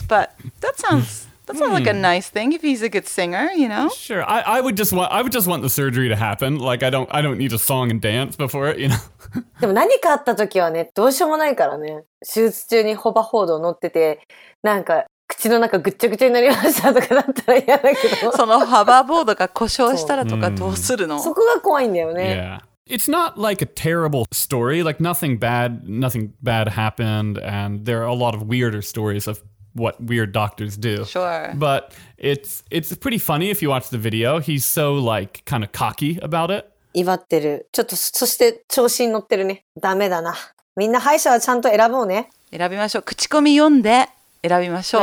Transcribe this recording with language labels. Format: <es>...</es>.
<en>But that sounds like a nice thing if he's a good singer, you know? Sure. I would just want the surgery to happen. Like, I don't need a song and dance before it, you know?</en> <ja>でも何かあった時はね、どうしようもないからね。手術中にホバホード乗ってて、なんか口の中ぐっちゃぐちゃになりましたとかだったら嫌だけど。そのホバーボードが故障したらとかどうするの？そこが怖いんだよね。</ja> <en>Yeah. It's not like a terrible story, like nothing bad happened, and there are a lot of weirder stories of what weird doctors do. Sure. But it's pretty funny if you watch the video. He's so like kind of cocky about it.</en> <ja>威張ってる。ちょっとそして調子に乗ってるね。ダメだな。みんな歯医者はちゃんと選ぼうね。選びましょう。口コミ読んで選びましょう。</ja>